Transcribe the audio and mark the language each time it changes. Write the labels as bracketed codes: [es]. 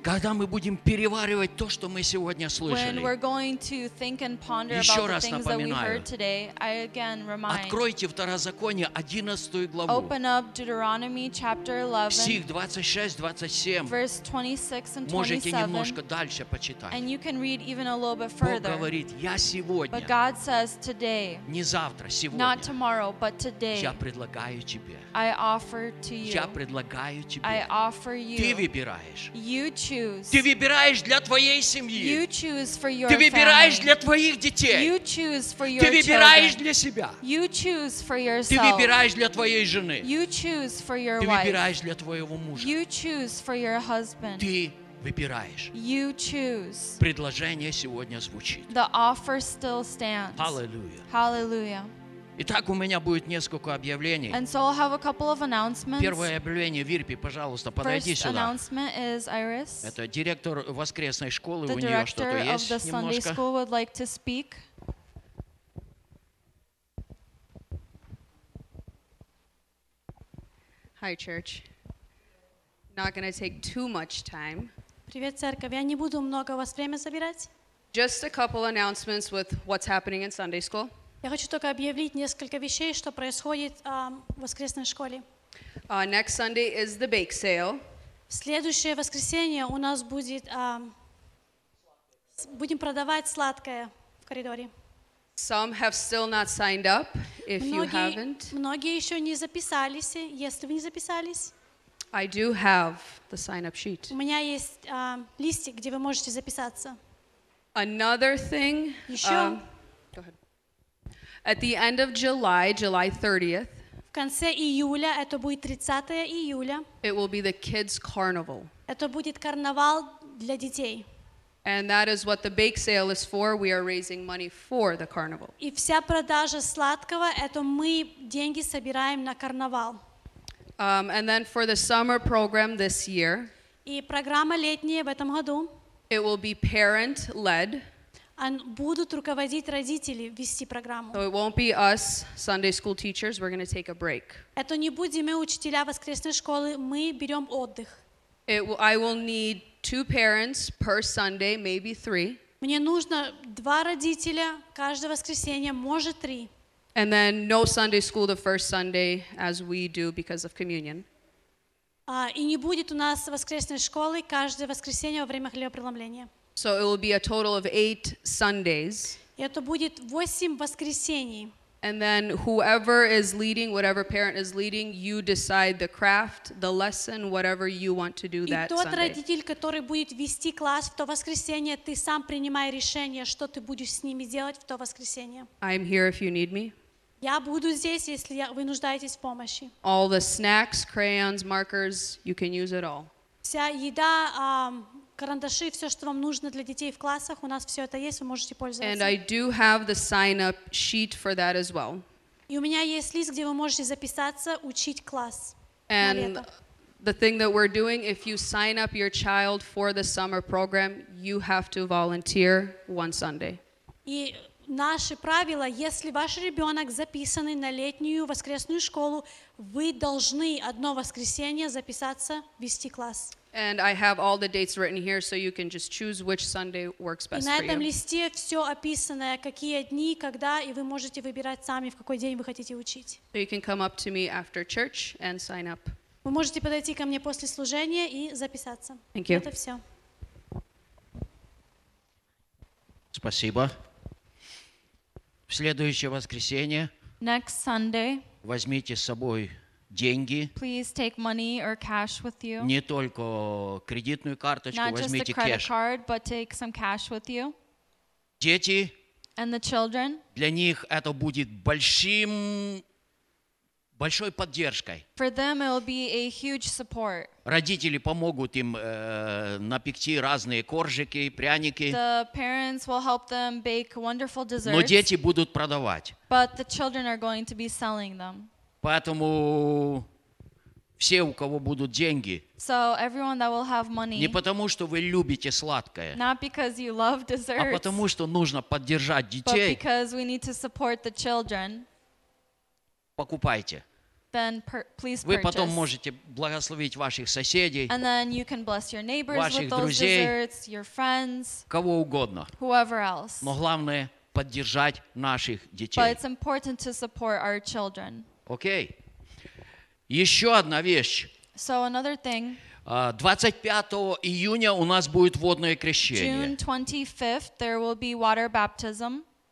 [ru] когда мы будем переваривать то, что мы сегодня слышали, [en] when we're going to think and ponder about the things [ru] напоминаю. [en] That we heard today, I again remind, [ru] откройте Второзаконие 11 главу, [en] open up Deuteronomy chapter 11, [ru] стих 26-27, [en] verse 26 and 27, [ru] можете немножко дальше почитать, [en] and you can read even a little bit further. [ru] Бог говорит, я сегодня, [en] but God says today, [ru] не завтра, сегодня, [en] not tomorrow, but today, [ru] я предлагаю тебе, [en] I offer to you, [ru] я предлагаю предлагаю тебе. [en] I offer you. [ru] Ты выбираешь. [en] You choose. [ru] Ты выбираешь для твоей семьи. [en] You choose for your [ru] Ты выбираешь [en] family. [ru] Для твоих детей. [en] You choose for your [ru] Ты выбираешь [en] children. [ru] Для себя. [en] You choose for yourself. [ru] Ты выбираешь для твоей жены. [en] You choose for your [ru] Ты [en] wife. [ru] Выбираешь для твоего мужа. [en] You choose for your husband. [ru] Ты выбираешь. [en] You choose. [ru] Предложение сегодня звучит. [en] The offer still stands. Hallelujah. Hallelujah. [ru] Итак, у меня будет несколько объявлений. [en] And so I'll have a couple of announcements. [ru] Первое объявление, Вирпи, пожалуйста, подойди [en] First [ru] сюда. [en] Announcement is Iris. [ru] Это директор воскресной школы, [en] the [ru] у нее что-то есть немножко. [en] The director of the Sunday school would like to speak. Hi, church. Not going to take too much time. [ru] Привет, церковь. Я не буду много у вас время забирать. [en] Just a couple announcements with what's happening in Sunday school. [ru] Я хочу только объявить несколько вещей, что происходит в воскресной школе. [en] Next Sunday is the bake sale. [ru] В следующее воскресенье у нас будет будем продавать сладкое в коридоре. [en] Some have still not signed up, if you haven't. [ru] Многие еще не записались, если вы не записались. [en] I do have the sign-up sheet. [ru] У меня есть листик, где вы можете записаться. [en] Another thing. [ru] Еще. [en] Go ahead. At the end of July, July 30th. [ru] В конце июля, это будет 30 июля. [en] It will be the kids' carnival. [ru] Это будет карнавал для детей. [en] And that is what the bake sale is for. We are raising money for the carnival. [ru] И вся продажа сладкого, это мы деньги собираем на карнавал. [en] And then for the summer program this year, [ru] и программа летняя в этом году, [en] it will be parent-led. [ru] Будут руководить родители вести программу. [en] So it won't be us, Sunday school teachers, we're going to take a break. [ru] Это не будем мы, учителя воскресной школы, мы берем отдых. [en] I will need two parents per Sunday, maybe three. [ru] Мне нужно два родителя каждое воскресенье, может три. [en] And then no Sunday school the first Sunday as we do because of communion. [ru] И не будет у нас воскресной школы каждое воскресенье во время хлебопреломления. [en] So it will be a total of 8 Sundays. [ru] И это будет 8 воскресений. [en] And then whoever is leading, whatever parent is leading, you decide the craft, the lesson, whatever you want to do that Sunday. [ru] И тот родитель, который будет вести класс в то воскресенье, ты сам принимай решение, что ты будешь с ними делать в то воскресенье. [en] I'm here if you need me. [ru] Я буду здесь, если вы нуждаетесь в помощи. [en] All the snacks, crayons, markers, you can use it all. [ru] Вся еда, карандаши, все, что вам нужно для детей в классах, у нас все это есть, вы можете пользоваться. [en] And I do have the sign-up sheet for that as well. [ru] И у меня есть лист, где вы можете записаться, учить класс. [en] And the thing that we're doing, if you sign up your child for the summer program, you have to volunteer one Sunday. [ru] И наши правила, если ваш ребенок записанный на летнюю воскресную школу, вы должны одно воскресенье записаться, вести класс. [en] And I have all the dates written here, so you can just choose which Sunday works best for you. [ru] На этом листе все описано, какие дни, когда, и вы можете выбирать сами, в какой день вы хотите учить. [en] So you can come up to me after church and sign up. [ru] Вы можете подойти ко мне после служения и записаться. [en] Thank you. [ru] Это все. Спасибо. В следующее воскресенье [en] Next Sunday, [ru] возьмите с собой деньги. [en] Please take money or cash with you. [ru] Не только кредитную карточку, [en] Not [ru] возьмите [en] just the credit cash. Card, but take some cash with you. [ru] Дети, [en] and the children, [ru] для них это будет большой поддержкой. [en] For them it will be a huge support. [ru] Родители помогут им напекти разные коржики, пряники. [en] The parents will help them bake wonderful desserts. [ru] Но дети будут продавать. [en] But the children are going to be selling them. [ru] Поэтому все, у кого будут деньги, не потому, что вы любите сладкое, а потому, что нужно поддержать детей, [en] because we need to support the children, [ru] покупайте. [en] Then please purchase. [ru] Вы потом можете благословить ваших соседей, [en] and then you can bless your neighbors [ru] ваших [en] with those [ru] друзей, [en] desserts, your friends, [ru] кого угодно. [en] Whoever else. [ru] Но главное, поддержать наших детей. [en] But it's important to support our children. [ru] Окей. Okay. Еще одна вещь. [en] So another thing. [ru] 25 июня у нас будет водное крещение. [en] June 25th, there will be water baptism.